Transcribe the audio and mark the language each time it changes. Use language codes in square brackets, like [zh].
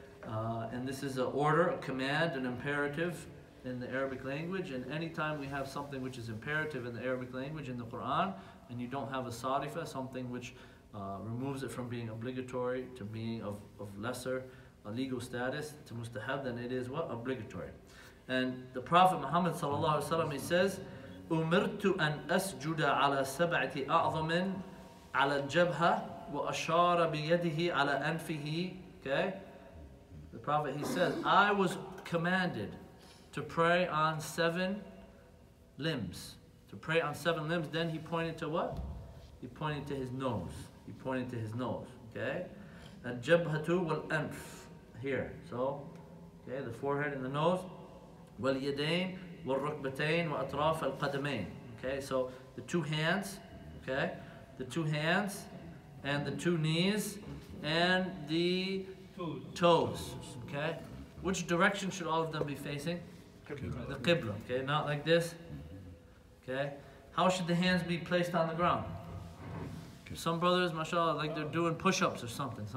[en] And this is an order, a command, an imperative in the Arabic language. And anytime we have something which is imperative in the Arabic language, in the Quran, and you don't have a sadifa, something which removes it from being obligatory to being of lesser a legal status to mustahab, then it is what? Obligatory. And the Prophet Muhammad sallallahu alaihi wasallam, he says, [ar] أُمِرْتُ أَنْ أَسْجُدَ عَلَى سَبْعَةِ أَعْظَمٍ عَلَى الْجَبْهَةِ وَأَشَارَ بِيَدِهِ عَلَى أَنْفِهِ. [en] Okay? The Prophet, he says, I was commanded to pray on seven limbs. To pray on seven limbs. Then he pointed to what? He pointed to his nose. He pointed to his nose. Okay? [ar] الْجَبْهَةُ وَالْأَنْفِ. [en] Here. So, okay, the forehead and the nose. [ar] وَالْيَدَيْنِ والركبتين وأطراف القدمين. [en] Okay, so the two hands, okay, the two hands, and the two knees, and the toes. Okay, which direction should all of them be facing? Qibla. The qibla. Okay, not like this. Okay, how should the hands be placed on the ground? Some brothers, mashallah, like they're doing push-ups or something.